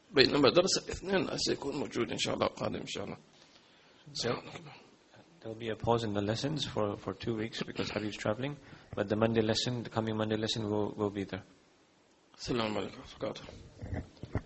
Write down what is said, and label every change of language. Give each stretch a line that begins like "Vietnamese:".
Arabic: بينما درس الاثنين سيكون موجود إن شاء الله قادم إن شاء الله.
English: There will be a pause in the lessons for 2 weeks because Habib is traveling, but the Monday lesson, the coming Monday lesson will be there.
Arabic: السلام عليكم ورحمة الله وبركاته.